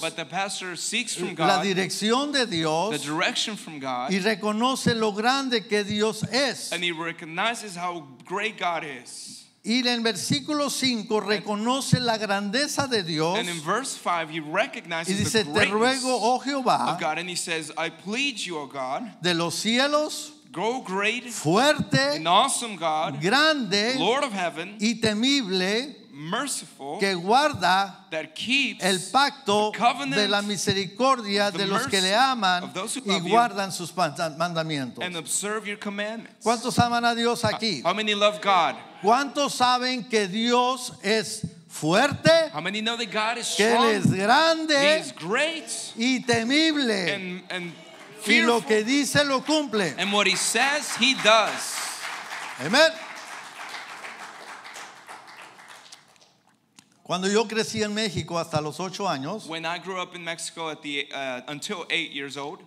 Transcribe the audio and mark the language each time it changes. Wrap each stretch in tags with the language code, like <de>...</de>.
<en>but the pastor seeks from God,</en> <es>la dirección de Dios,</es> <en>the direction from God,</en> <es>y reconoce lo grande que Dios es,</es> <en>and he recognizes how great God is.</en> <es>Y en versículo 5 reconoce la grandeza de Dios,</es> <en>and in verse 5 he recognizes,</en> <es>y dice,</es> <en>the greatness,</en> <es>te ruego, oh Jehová,</es> <en>of God, and he says, I plead you, oh God,</en> <es>de los cielos,</es> <en>go great,</en> <es>fuerte,</es> <en>an awesome God,</en> <es>grande,</es> <en>Lord of heaven,</en> <es>y temible,</es> <en>merciful,</en> <es>que guarda,</es> <en>that keeps</en> <es>el pacto,</es> <en>the covenant,</en> <es>de la misericordia,</es> <en>the</en> <es>de los que le aman y guardan sus mandamientos.</es> <en>And observe your commandments.</en> <es>¿Cuántos aman a Dios aquí?</es> <en>How many love God?</en> <es>¿Cuántos saben que Dios es fuerte?</es> <en>How many know that God is strong?</en> <es>Que Él es grande,</es> <en>he is great,</en> <es>y temible,</es> <en>and</en> <es>y lo que dice lo cumple.</es> <en>And what he says, he does. Amen.</en> <es>Cuando yo crecí en México hasta los 8 años,</es> <en>when I grew up in Mexico until 8 years old,</en>